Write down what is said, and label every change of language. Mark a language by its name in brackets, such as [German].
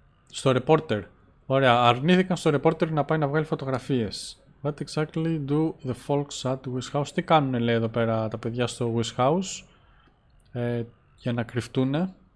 [Greek] Στο reporter. Ωραία, αρνήθηκαν στο reporter να πάει να βγάλει φωτογραφίες. [English] What exactly do the folks at Wish House? [Greek] Τι κάνουν, λέει, εδώ πέρα τα παιδιά στο Wish House για να κρυφτούνε.